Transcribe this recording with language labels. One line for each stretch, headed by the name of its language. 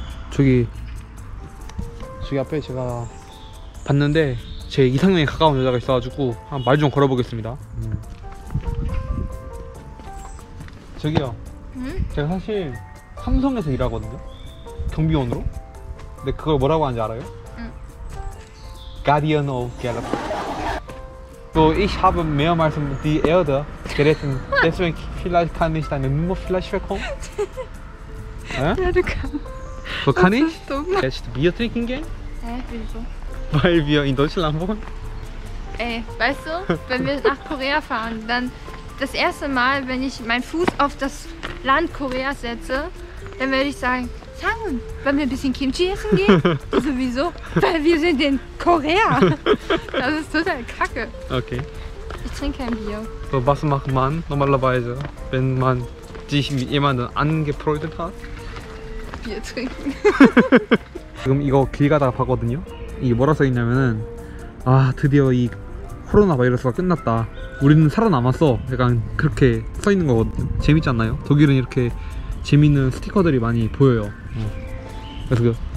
Korean: 저기 앞에 제가 봤는데 제 이상형에 가까운 여자가 있어가지고 한 말 좀 걸어보겠습니다. 저기요. 응? 제가 사실 삼성에서 일하거든요. 경비원으로. 근데 그걸 뭐라고 하는지 알아요? 응.
English: Guardian of Galaxy.
German: So ich habe mehrmals die Erde gerettet. Deswegen vielleicht kann ich deine Nummer vielleicht bekommen.
Korean: 네?
German: Ja, du kannst. So kann ich? Jetzt Bier trinken gehen? Wieso? Weil wir in Deutschland wohnen. Ey, weißt du, wenn wir nach Korea fahren, dann das erste Mal, wenn ich meinen Fuß auf das Land Korea setze, dann werde ich sagen, Sangun, wollen wir ein bisschen Kimchi essen gehen? Also, wieso? Weil wir sind in Korea. Das ist total kacke. Okay. Ich trinke kein Bier. So, was macht man normalerweise, wenn man sich mit jemandem angefreundet hat? Bier trinken.
Korean: 지금 이거 길 가다가 봤거든요. 이게 뭐라 써 있냐면은 아 드디어 이 코로나 바이러스가 끝났다. 우리는 살아남았어. 약간 그렇게 써 있는 거거든요. 재밌지 않나요? 독일은 이렇게 재밌는 스티커들이 많이 보여요. 그래서 그.